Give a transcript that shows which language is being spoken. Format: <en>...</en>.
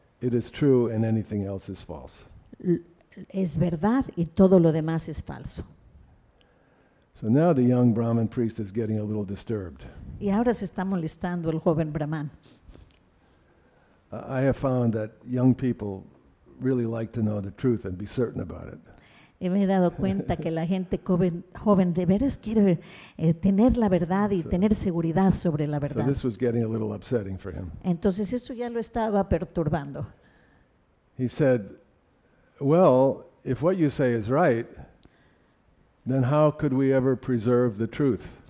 <en>It is true and anything else is false.</en> <es>Es verdad y todo lo demás es falso.</es> <en>So now the young Brahmin priest is getting a little disturbed.</en> <es>Y ahora se está molestando el joven brahman.</es> <en>I have found that young people really like to know the truth and be certain about it.</en> <es>Y me he dado cuenta que la gente joven de veras quiere tener la verdad y tener seguridad sobre la verdad.</es> <en>So this was getting a little upsetting for him.</en> <es>Entonces eso ya lo estaba perturbando.</es> <en>He said, well, if what you say is right, then how could we ever preserve the truth?</en>